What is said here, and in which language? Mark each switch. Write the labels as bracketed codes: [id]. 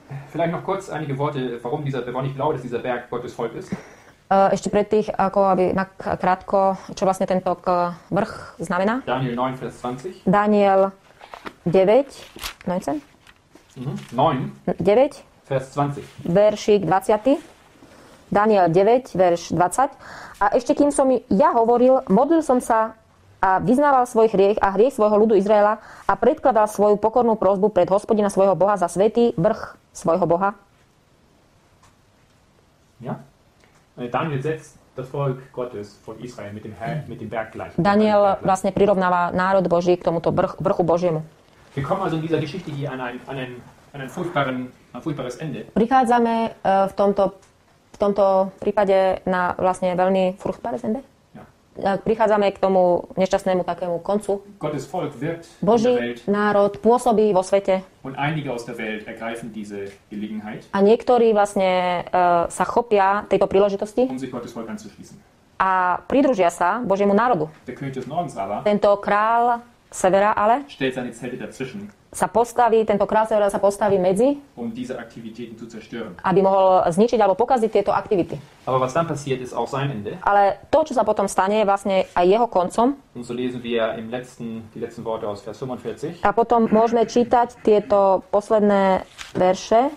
[de] Vielleicht noch kurz einige Worte, warum dieser Berg nicht blau ist, dieser Berg Gottes Volk ist. [sk] Ešte pre tých, ako aby na krátko, čo vlastne tento vrch znamená? [de] Daniel 9 vers 20. Daniel 9 19. Mhm. 9. 9. Vers 20. [sk] Veršík 20. Daniel 9, verš 20. A ešte kým som ja hovoril, modlil som sa a vyznával svoj hriech a hriech svojho ľudu Izraela a predkladal svoju pokornú prosbu pred Hospodina svojho Boha za svätý vrch svojho Boha. [de] Ja? Daniel setzt das Volk Gottes von Israel mit dem Herrn, mit dem Berg gleich. [sk] Daniel vlastne prirovnáva národ Boží k tomuto vrchu Božiemu. [de] Wir kommen also in dieser Geschichte hier an einen furchtbaren furchtbares Ende. [sk] Prichádzame v tomto prípade na vlastne veľmi [de] furchtbares Ende. Ja. [sk] Prichádzame k tomu nešťastnému takému koncu. [de] Gottes Volk wirkt [sk] Boží [de] in der Welt. [sk] Národ pôsobí vo svete. [de] Und einige aus der Welt ergreifen diese Gelegenheit. [sk] A niektorí vlastne sa chopia tejto príležitosti. [de] Um sich Gottes Volk anzuschließen. [sk] A pridružia sa Božiemu národu. [de] Der König des Nordens aber. [sk] Tento král severa ale. [de] Stellt seine Zelte dazwischen. [sk] Sa postaví, tento král severa sa postaví medzi, [de] um diese Aktivitäten zu zerstören. [sk] Aby mohol zničiť alebo pokaziť tieto aktivity. [de] Aber was dann passiert, ist auch sein Ende. [sk] Ale to, čo sa potom stane, je vlastne aj jeho koncom. [de] Und so lesen wir im letzten, die letzten Worte aus Vers 45. [sk] A potom môžeme čítať tieto posledné verše.